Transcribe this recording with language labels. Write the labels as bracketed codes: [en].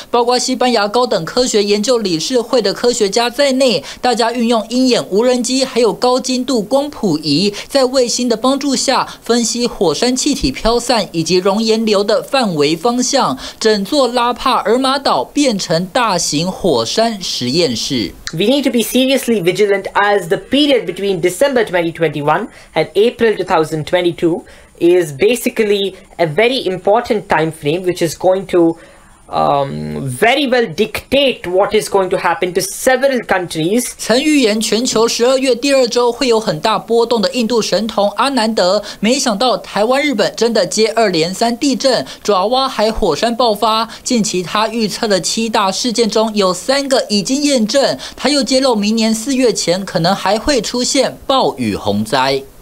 [zh] 包括西班牙高等科学研究理事会的科学家在内，大家运用鹰眼无人机还有高精度光谱仪，在卫星的帮助下分析火山气体飘散以及熔岩流的范围方向，整座拉帕尔马岛变成大型火山实验室。 [en] We need to be seriously vigilant as the period between December 2021 and April 2022 is basically a very important time frame, which is going to very well dictate what is going to happen to several countries. [zh] 曾预言全球12月第二周会有很大波动的印度神童阿南德，没想到台湾、日本真的接二连三地震，爪哇海火山爆发。近期他预测的7大事件中有3个已经验证，他又揭露明年4月前可能还会出现暴雨洪灾。